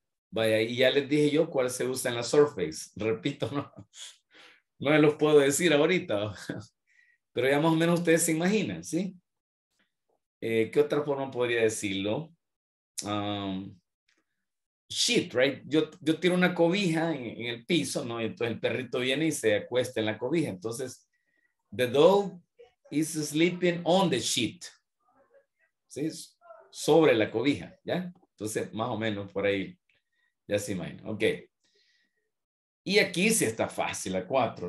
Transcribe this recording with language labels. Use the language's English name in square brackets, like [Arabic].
[Spanish] Vaya, y ya les dije yo cuál se usa en la surface. Repito, no los puedo decir ahorita. Pero ya más o menos ustedes se imaginan, ¿sí? ¿Qué otra forma podría decirlo? [English] Sheet, right? [Spanish] Yo tiro una cobija en el piso, ¿no? Y entonces el perrito viene y se acuesta en la cobija. Entonces, [English] the dog is sleeping on the sheet. [Spanish] ¿Sí? Sobre la cobija, ¿ya? Entonces, más o menos por ahí, ya se imagina. Ok. Y aquí sí está fácil, la 4.